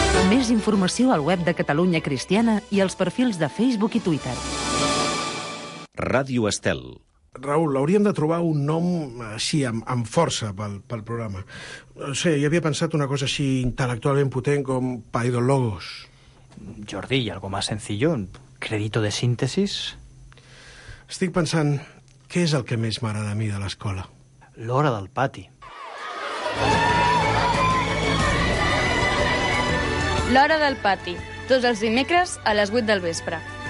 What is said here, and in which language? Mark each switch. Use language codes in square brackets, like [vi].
[ca] Més informació al web de Catalunya Cristiana i als perfils de Facebook i Twitter. Ràdio Estel. Raül, hauríem de trobar un nom així, amb força, pel programa. No sé, jo havia pensat una cosa així intel·lectualment potent com Paidologos. [es] Jordi, i algo más sencillo, Crédito de síntesis. [ca] Estic pensant, què és el que més m'agrada a mi de l'escola? L'hora del pati. L'hora del pati, tots els dimecres a les 8 del vespre.